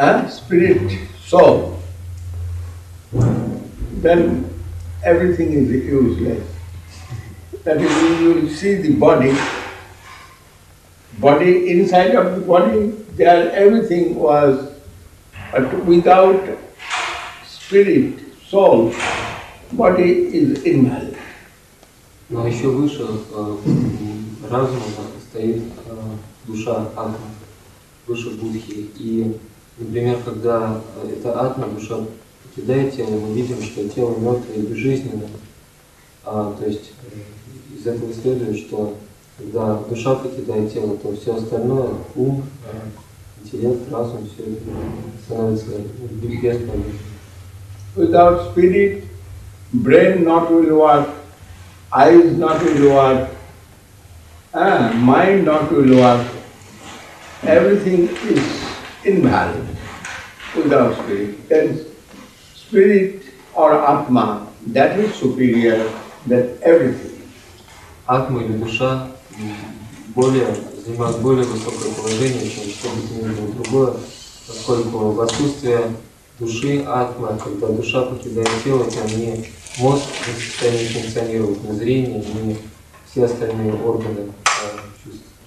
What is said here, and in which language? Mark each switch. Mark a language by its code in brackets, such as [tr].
[en] Spirit soul. Then everything is useless. That is, you will see the body, inside of the body, there everything was, but without spirit, soul, body is invalid. [ru] Но еще выше разума стоит душа, атма, выше будхи. И, например, когда эта атма, душа покидает тело, мы видим, что тело мертвое и безжизненное, то есть из этого следует, что когда душа покидает тело, то все остальное, ум, интеллект, разум, все становится бесполезным. [en] Without spirit, brain not will work, eyes not will work, mind not will work. Everything is invalid without spirit. Then spirit or atma, that is superior than everything. [ru] Атма или душа занимают более высокое положение, чем что бы то ни было другое, поскольку в отсутствие души, атма, когда душа покидает тело, там ни мозг не в состоянии функционировать, ни зрение, ни все остальные органы чувств.